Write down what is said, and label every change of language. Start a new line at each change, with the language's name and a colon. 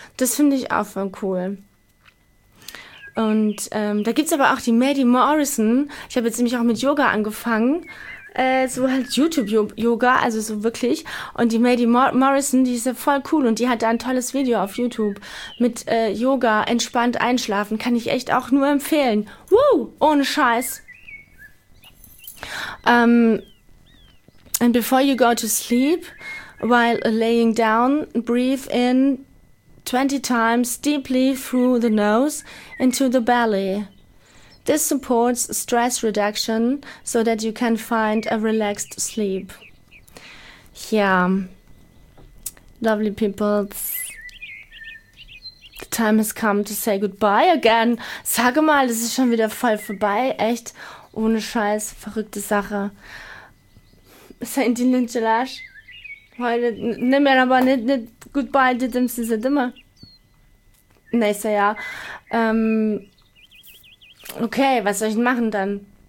German: Das finde ich auch voll cool. Und da gibt es aber auch die Maddie Morrison. Ich habe jetzt nämlich auch mit Yoga angefangen. So halt YouTube-Yoga, also so wirklich. Und die Maddie Morrison, die ist ja voll cool. Und die hat da ein tolles Video auf YouTube mit Yoga, entspannt einschlafen. Kann ich echt auch nur empfehlen. Woo! Ohne Scheiß.
English: And before you go to sleep, while laying down, breathe in 20 times deeply through the nose into the belly. This supports stress reduction, so that you can find a relaxed sleep. Yeah. Lovely people. The time has come to say goodbye again.
German: Sage mal, das ist schon wieder voll vorbei. Echt, ohne Scheiß, verrückte Sache. Sein die Lynchelage. Heute, nimm mir aber nicht goodbye, die dem sind sie immer. Nächster Jahr. Okay, was soll ich denn machen dann?